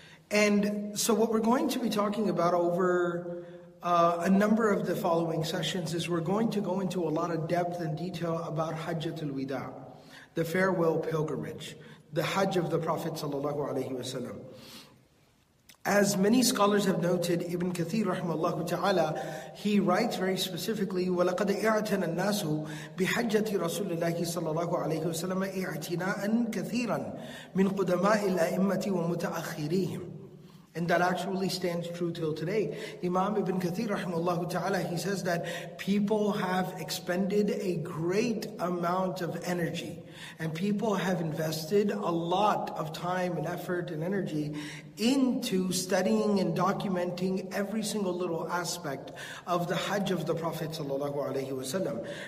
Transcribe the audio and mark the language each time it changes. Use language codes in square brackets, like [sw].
[en] And so what we're going to be talking about over a number of the following sessions is we're going to go into a lot of depth and detail about Hajjatul Wida', the farewell pilgrimage, the Hajj of the Prophet sallallahu alaihi wasallam. As many scholars have noted, Ibn Kathir rahimahullah ta'ala, he writes very specifically, [ar] وَلَقَدْ اِعْتَنَ النَّاسُ بِحَجَّةِ رَسُولِ اللَّهِ صَلَى اللَّهُ عَلَيْهُ وَسَلَمَ اِعْتِنَاءً كَثِيرًا مِنْ قُدَمَاءِ الْأَئِمَّةِ وَمُتَأَخِّرِيهِمْ. [en] And that actually stands true till today. Imam Ibn Kathir rahimahullah ta'ala, he says that people have expended a great amount of energy, and people have invested a lot of time and effort and energy into studying and documenting every single little aspect of the Hajj of the Prophet sallallahu alaihi wasallam.